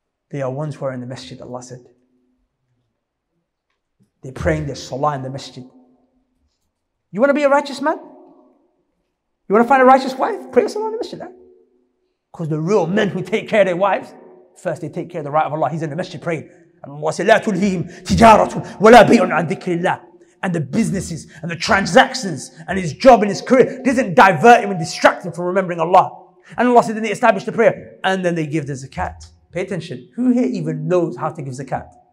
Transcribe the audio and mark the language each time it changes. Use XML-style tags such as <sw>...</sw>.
<en>They are ones who are in the masjid, Allah said. They're praying their salah in the masjid. You want to be a righteous man? You want to find a righteous wife? Pray your salah in the masjid. Because the real men who take care of their wives, first they take care of the right of Allah. He's in the masjid praying. And Allah said,</en> <ar>لا تلهيهم تجارة ولا بيع عن ذكر الله.</ar> <en>And the businesses and the transactions and his job and his career doesn't divert him and distract him from remembering Allah. And Allah said, then they establish the prayer. And then they give the zakat. Pay attention. Who here even knows how to give zakat?</en>